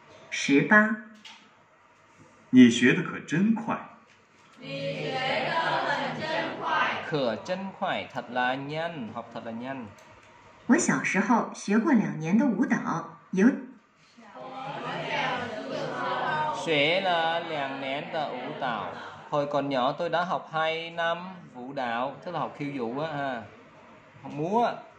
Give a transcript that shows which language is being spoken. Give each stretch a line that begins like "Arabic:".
Chinese: Sì ba. 你学的可真快。你学的很真快。可真快,
Vietnamese: thật là nhanh, học thật là nhanh.
Chinese: 我小时候学过两年的舞蹈, 有。我小时候学了两年的舞蹈,
Vietnamese: hồi còn nhỏ tôi đã học 2 năm vũ đạo, tức là học khiêu vũ, học múa.